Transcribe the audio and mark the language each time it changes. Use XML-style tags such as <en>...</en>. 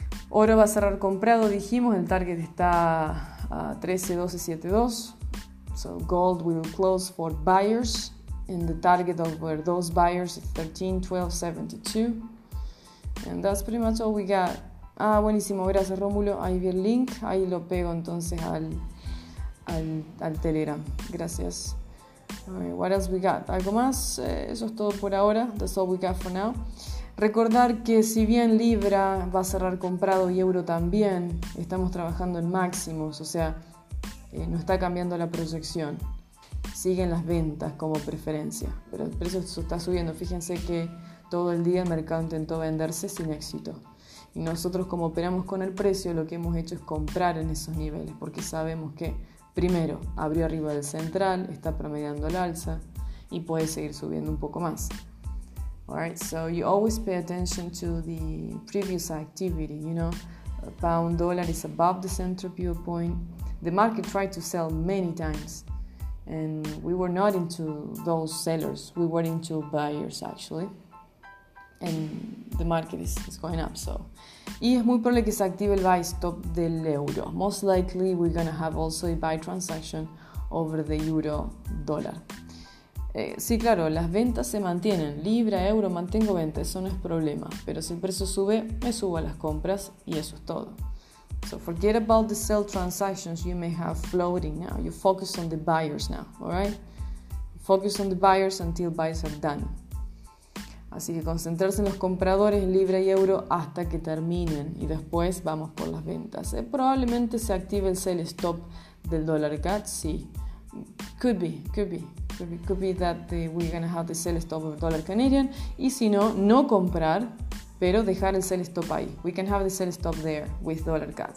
<es>Oro va a cerrar comprado, dijimos, el target está a 13.1272.</es> <en>So gold will close for buyers and the target over those buyers is 13.1272. And that's pretty much all we got.</en> <es>Ah, buenísimo, gracias Rómulo. Ahí vi el link, ahí lo pego entonces al Telegram.</es> <en>Gracias. Alright, what else we got?</en> <es>¿Algo más? Eso es todo por ahora.</es> <en>That's all we got for now.</en> <es>Recordar que si bien Libra va a cerrar comprado y Euro también, estamos trabajando en máximos, o sea, no está cambiando la proyección. Siguen las ventas como preferencia, pero el precio está subiendo. Fíjense que todo el día el mercado intentó venderse sin éxito. Y nosotros como operamos con el precio, lo que hemos hecho es comprar en esos niveles, porque sabemos que primero abrió arriba del central, está promediando al alza y puede seguir subiendo un poco más.</es> <en>Alright, so you always pay attention to the previous activity, you know. Pound dollar is above the central pivot point. The market tried to sell many times. And we were not into those sellers. We were into buyers, actually. And the market is going up, so.</en> <es>Y es muy probable que se active el buy stop del euro.</es> <en>Most likely, we're going to have also a buy transaction over the euro dollar.</en> <es>Sí, claro, las ventas se mantienen. Libra, euro, mantengo venta, eso no es problema. Pero si el precio sube, me subo a las compras y eso es todo.</es> <en>So forget about the sell transactions you may have floating now. You focus on the buyers now, alright? Focus on the buyers until buys are done.</en> <es>Así que concentrarse en los compradores, Libra y euro, hasta que terminen. Y después vamos por las ventas. Probablemente se active el sell stop del dollar CAD, sí.</es> <en>Could be that we're going to have the sell stop of dollar Canadian.</en> <es>Y si no, no comprar, pero dejar el sell stop ahí.</es> <en>We can have the sell stop there with dollar CAD.</en>